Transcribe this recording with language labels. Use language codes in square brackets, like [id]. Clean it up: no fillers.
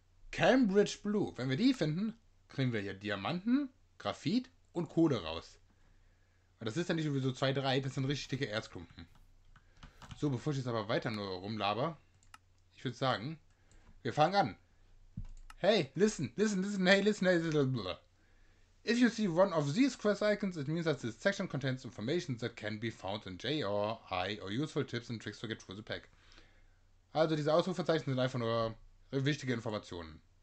[de] Cambridge Blue. Wenn wir die finden, kriegen wir hier Diamanten, Graphit und Kohle raus. Das ist ja nicht nur so 2-3, das sind richtig dicke Erzklumpen. So, bevor ich jetzt aber weiter nur rumlabere, ich würde sagen, wir fangen an. [en] Hey, listen, listen, listen, hey, listen, hey, blablabla. If you see one of these quest icons, it means that this section contains information that can be found in J or I or useful tips and tricks to get through the pack. [de] Also diese Ausrufezeichen sind einfach nur wichtige Informationen.